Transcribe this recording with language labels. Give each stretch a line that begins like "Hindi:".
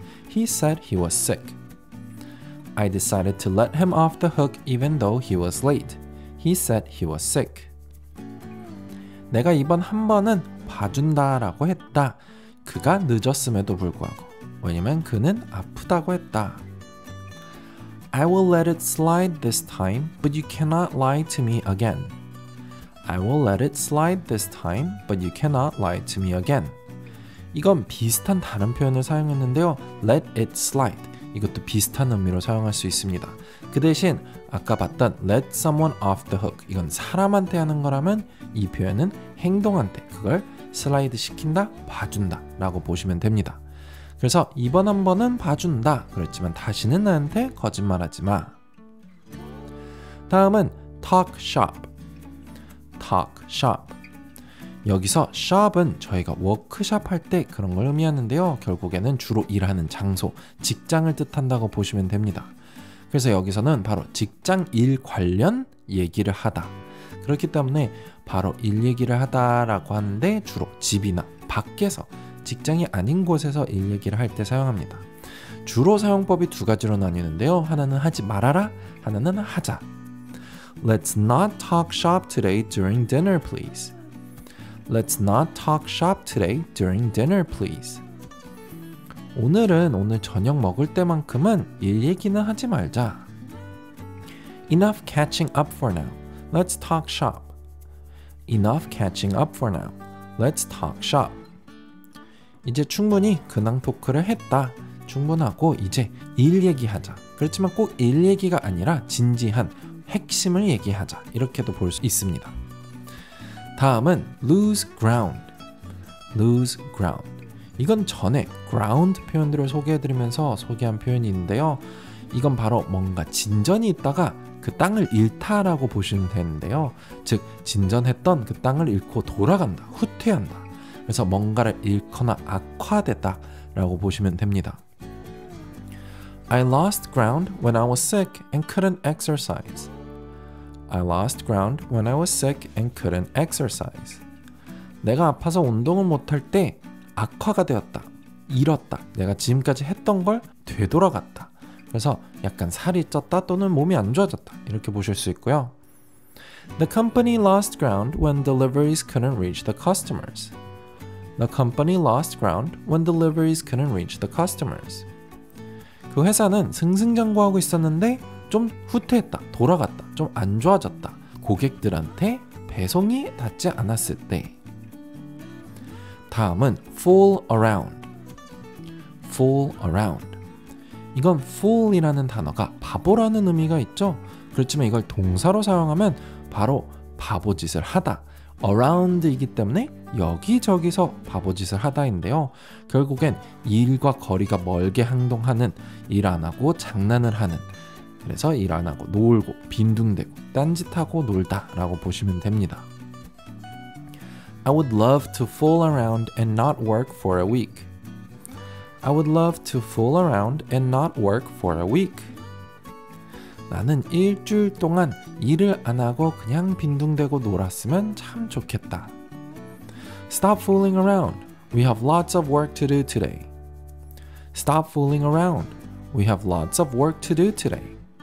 English: He said he was sick. I decided to let him off the hook even though he was late. He said he was sick.
Korean: 내가 이번 한 번은 봐준다 라고 했다. 그가 늦었음에도 불구하고. 왜냐면 그는 아프다고 했다.
English: I will let it slide this time, but you cannot lie to me again. I will let it slide this time, but you cannot lie to me again.
Korean: 이건 비슷한 다른 표현을 사용했는데요.
English: Let it slide.
Korean: 이것도 비슷한 의미로 사용할 수 있습니다. 그 대신 아까 봤던
English: let someone off the hook.
Korean: 이건 사람한테 하는 거라면 이 표현은 행동한테 그걸 슬라이드 시킨다, 봐준다 라고 보시면 됩니다. 그래서 이번 한 번은 봐준다, 그렇지만 다시는 나한테 거짓말하지 마. 다음은
English: talk shop. Talk shop.
Korean: 여기서 shop은 저희가 워크숍 할 때 그런 걸 의미하는데요. 결국에는 주로 일하는 장소, 직장을 뜻한다고 보시면 됩니다. 그래서 여기서는 바로 직장 일 관련 얘기를 하다. 그렇기 때문에 바로 일 얘기를 하다라고 하는데 주로 집이나 밖에서, 직장이 아닌 곳에서 일 얘기를 할 때 사용합니다. 주로 사용법이 두 가지로 나뉘는데요. 하나는 하지 말아라, 하나는 하자.
English: Let's not talk shop today during dinner, please. Let's not talk shop today during dinner, please.
Korean: 오늘은 오늘 저녁 먹을 때만큼은 일 얘기는 하지 말자.
English: Enough catching up for now. Let's talk shop. Enough catching up for now. Let's talk shop.
Korean: 이제 충분히 근황 토크를 했다. 충분하고 이제 일 얘기하자. 그렇지만 꼭 일 얘기가 아니라 진지한 핵심을 얘기하자. 이렇게도 볼 수 있습니다. 다음은
English: lose ground. Lose ground.
Korean: 이건 전에 ground 표현들을 소개해드리면서 소개한 표현인데요. 이건 바로 뭔가 진전이 있다가 그 땅을 잃다라고 보시면 되는데요. 즉 진전했던 그 땅을 잃고 돌아간다, 후퇴한다. 그래서 뭔가를 잃거나 악화됐다라고 보시면 됩니다.
English: I lost ground when I was sick and couldn't exercise. I lost ground when I was sick and couldn't exercise.
Korean: 내가 아파서 운동을 못할 때 악화가 되었다, 잃었다, 내가 지금까지 했던 걸 되돌아갔다, 그래서 약간 살이 쪘다 또는 몸이 안 좋아졌다 이렇게 보실 수 있고요.
English: The company lost ground when deliveries couldn't reach the customers. The company lost ground when deliveries couldn't reach the customers.
Korean: 그 회사는 승승장구하고 있었는데 좀 후퇴했다, 돌아갔다, 좀 안 좋아졌다. 고객들한테 배송이 닿지 않았을 때. 다음은
English: fool around. fool around.
Korean: 이건 fool이라는 단어가 바보라는 의미가 있죠. 그렇지만 이걸 동사로 사용하면 바로 바보짓을 하다, around이기 때문에 여기저기서 바보짓을 하다인데요. 결국엔 일과 거리가 멀게 행동하는, 일 안 하고 장난을 하는, 그래서 일 안 하고 놀고 빈둥대고 딴짓하고 놀다 라고 보시면 됩니다.
English: I would love to fool around and not work for a week. I would love to fool around and not work for a week.
Korean: 나는 일주일 동안 일을 안 하고 그냥 빈둥대고 놀았으면 참 좋겠다.
English: Stop fooling around. We have lots of work to do today. Stop fooling around. We have lots of work to do today.